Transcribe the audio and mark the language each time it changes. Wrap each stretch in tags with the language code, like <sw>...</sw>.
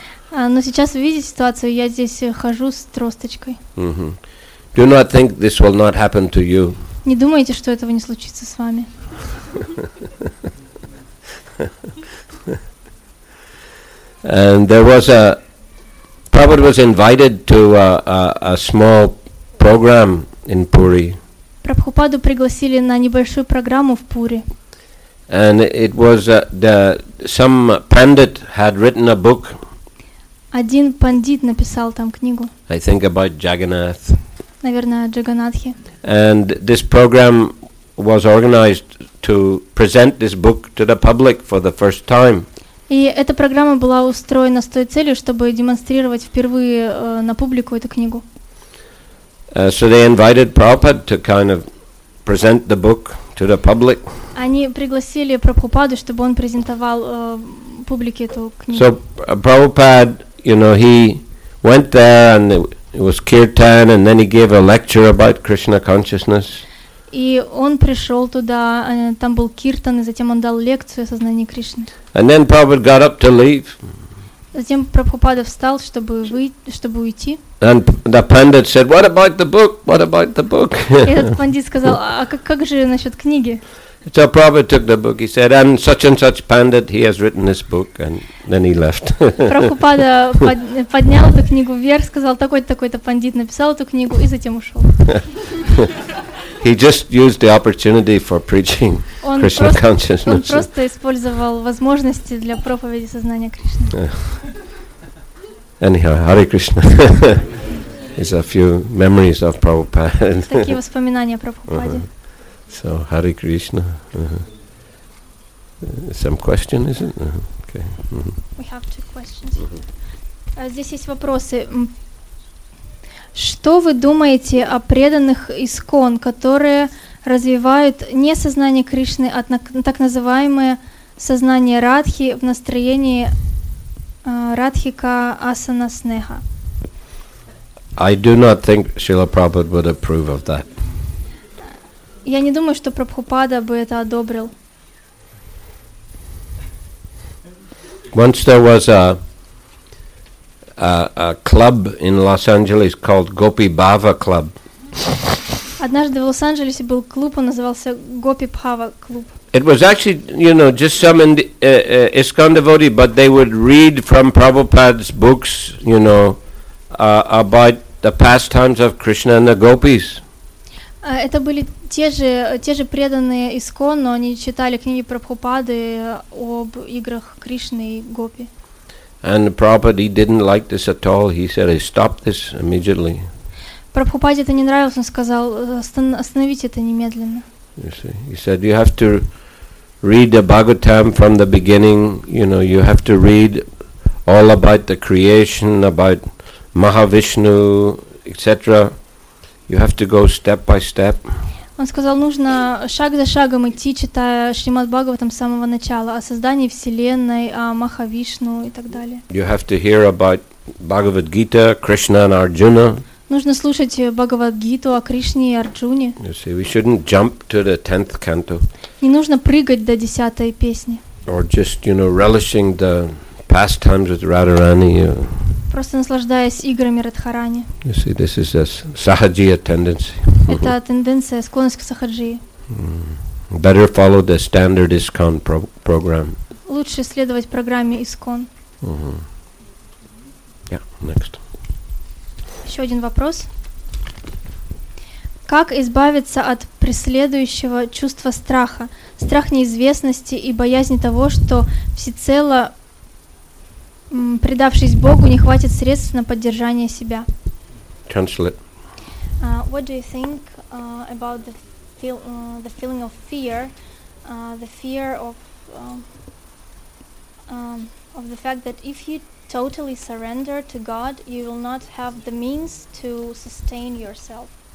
<ru>Но сейчас вы видите ситуацию. Я здесь хожу с тросточкой. Mm-hmm.</ru> <en>Do not think this will not happen to you.</en> <ru>Не думайте, что этого не случится с вами.</ru> <en>And there was a Prabhupada was invited to a small program in Puri.</en> <ru>Прабхупаду пригласили на небольшую программу в Пури.</ru> <en>And it was some pandit had written a book.</en> <ru>Один пандит написал там книгу.</ru> <en>I think about Jagannath.</en> <ru>Наверное, Джаганатхи.</ru> <en>And this program was organized to present this book to the public for the first time.</en> <ru>И эта программа была устроена с той целью, чтобы демонстрировать впервые на публику эту книгу.</ru> <en>So they invited Prabhupada to kind of present the book to the public.</en> <ru>Они пригласили Прабхупаду, чтобы он презентовал публике эту книгу.</ru> <en>So Prabhupada, you know, he went there and it was kirtan, and then he gave a lecture about Krishna consciousness.</en> <ru>И он пришел туда, там был киртан, и затем он дал лекцию о сознании Кришны.</ru> <en>And then Prabhupada got up to leave.</en> <ru>Затем Прабхупада встал, чтобы уйти.</ru> <en>And the pandit said, "What about the book? What about the book?"</en> <ru>Этот пандит сказал, а как же насчет книги?</ru> <en>So Prabhupada took the book. He said, "And such and such pandit, he has written this book," and then he left.</en> <ru>Прабхупада поднял эту книгу вверх, сказал, такой-то пандит написал эту книгу и затем ушел.</ru> <en>He just used the opportunity for preaching Krishna consciousness.</en> <ru>Он просто использовал возможности для проповеди сознания Кришны.</ru> <en>Anyhow, Hare Krishna. It's a few memories of Prabhupada.</en> <ru>Такие воспоминания о Прабхупаде.</ru> <en>So, Hare Krishna. Some question, is it? Okay. We have two questions.</en> <ru>Здесь есть вопросы. Что вы думаете о преданных ИСККОН, которые развивают не сознание Кришны, а так называемое сознание Радхи в настроении Радхика Асана Снеха?</ru> <en>I do not think Srila Prabhupada would approve of that.</en> <ru>Я не думаю, что Прабхупада бы это одобрил.</ru> <en>Once there was a club in Los Angeles called Gopi Bhava Club.</en> <ru>Однажды в Лос-Анджелесе был клуб, он назывался Gopi Bhava Club.</ru> <en>It was actually, you know, just some ISKCON devotee, but they would read from Prabhupada's books, you know, about the pastimes of Krishna and the gopis.</en> <ru>Это были те же преданные ИСККОН, но они читали книги Прабхупады об играх Кришны и гопи.</ru> <en>And Prabhupada, he didn't like this at all. He said, "Hey, stop this immediately."</en> <ru>Прабхупаде это не нравилось. Он сказал, остановите это немедленно.</ru> <en>He said, "You have to read the Bhagavatam from the beginning. You know, you have to read all about the creation, about Mahavishnu, etc. You have to go step by step."</en> <ru>Он сказал, нужно шаг за шагом идти, читая Шримад Бхагаватам с самого начала, о создании Вселенной, о Махавишну и так далее.</ru> <en>You have to hear about Bhagavad Gita, Krishna and Arjuna.</en> <ru>Нужно слушать Бхагавад Гиту о Кришне и Арджуне.</ru> <en>You see, we shouldn't jump to the 10th canto.</en> <ru>Не нужно прыгать до 10-й песни.</ru> <en>Or just, you know, relishing the pastimes with Radharani.</en> <ru>Просто наслаждаясь играми Радхарани.</ru> <en>You see, this is a sahajiya tendency.</en> <ru>Это тенденция, склонность к сахаджии.</ru> <en>Better follow the standard ISKCON program.</en> <ru>Лучше следовать программе ISKCON.</ru> <en>Yeah, next.</en> <ru>Еще один вопрос. Как избавиться от преследующего чувства страха? Страх неизвестности и боязнь того, что всецело предавшись Богу, не хватит средств на поддержание себя.</ru> <en>Translate. What do you think about the feeling of fear, the fear of the fact that if you totally surrender to God, you will not have the means to sustain yourself?</en>